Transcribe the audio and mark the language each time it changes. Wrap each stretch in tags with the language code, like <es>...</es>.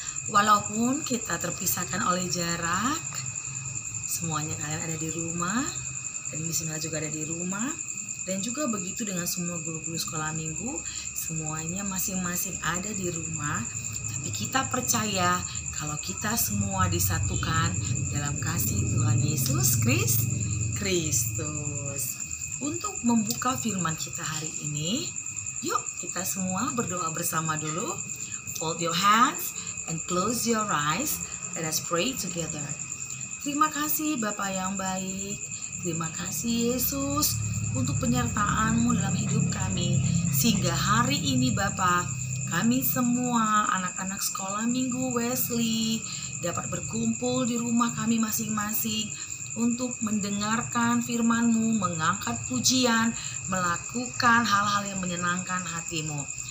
<id>Walaupun kita terpisahkan oleh jarak, semuanya kalian ada di rumah, dan misalnya juga ada di rumah, dan juga begitu dengan semua guru-guru sekolah minggu, semuanya masing-masing ada di rumah, tapi kita percaya kalau kita semua disatukan dalam kasih Tuhan Yesus Kristus. Untuk membuka firman kita hari ini, yuk kita semua berdoa bersama dulu.</id> <en>Fold your hands and close your eyes. Let us pray together.</en> <id>Terima kasih Bapa yang baik. Terima kasih Yesus untuk penyertaan-Mu dalam hidup kami. Sehingga hari ini Bapa, kami semua anak-anak sekolah minggu Wesley dapat berkumpul di rumah kami masing-masing untuk mendengarkan firman-Mu, mengangkat pujian, melakukan hal-hal yang menyenangkan hati-Mu.</id>